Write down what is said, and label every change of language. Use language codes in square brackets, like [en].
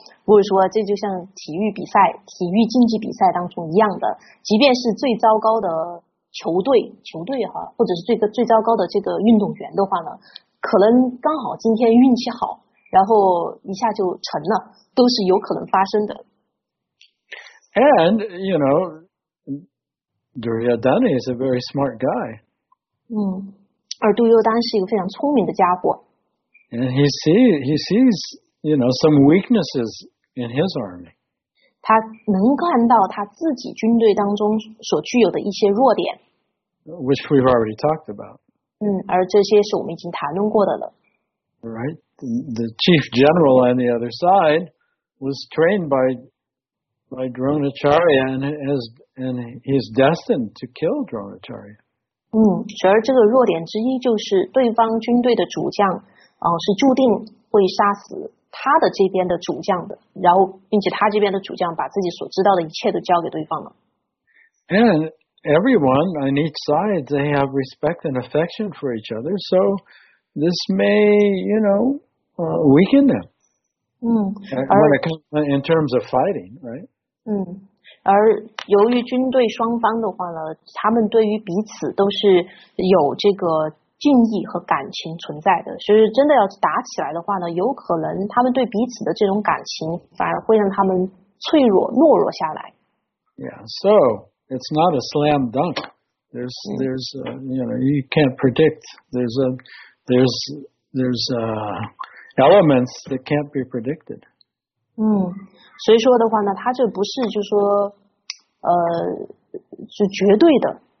[zh] Bruce 说这就像体育比赛、体育竞技比赛当中一样的，即便是最糟糕的球队哈，或者是最糟糕的这个运动员的话呢，可能刚好今天运气好，然后一下就成了，都是有可能发生的。 [en] And you know, Duryodhana is a very smart guy. [zh] 嗯，而杜尤丹是一个非常聪明的家伙。 [en] And he sees you know some weaknesses in his army. [zh] 他能看到他自己军队当中所具有的一些弱点。 [en] Which we've already talked about. [zh] 嗯，而这些是我们已经谈论过的了。 [en] Right, the chief general on the other side. Was trained by Dronacharya and he is destined to kill Dronacharya. [zh] 嗯，而这个弱点之一就是对方军队的主将，是注定会杀死他的这边的主将的。然后，并且他这边的主将把自己所知道的一切都交给对方了。 [en] And everyone on each side, they have respect and affection for each other. So this may, you know, weaken them. In terms of fighting, right? [zh] 嗯，而由于军队双方的话呢，他们对于彼此都是有这个敬意和感情存在的。所以真的要打起来的话呢，有可能他们对彼此的这种感情反而会让他们脆弱、懦弱下来。 [en] Yeah, so it's not a slam dunk. There's a, you know, you can't predict. There's a. Elements that can't be predicted. [zh] 嗯，所以说的话呢，它这不是就说，是绝对的。